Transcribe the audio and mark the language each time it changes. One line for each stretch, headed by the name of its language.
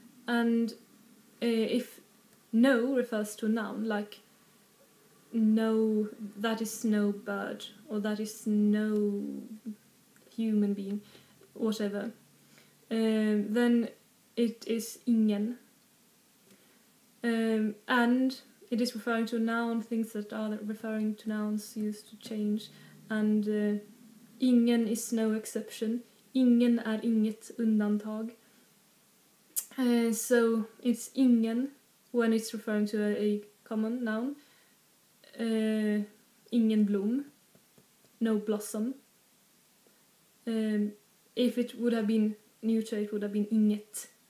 English: And if no refers to a noun, like no, that is no bird, or that is no human being, whatever, then it is ingen. And it is referring to a noun, things that are referring to nouns used to change. And ingen is no exception.
Swedish: Ingen är inget undantag.
English: So it's ingen when it's referring to a common noun.
Swedish: Ingen blom.
English: No blossom. If it would have been neuter, it would have been inget.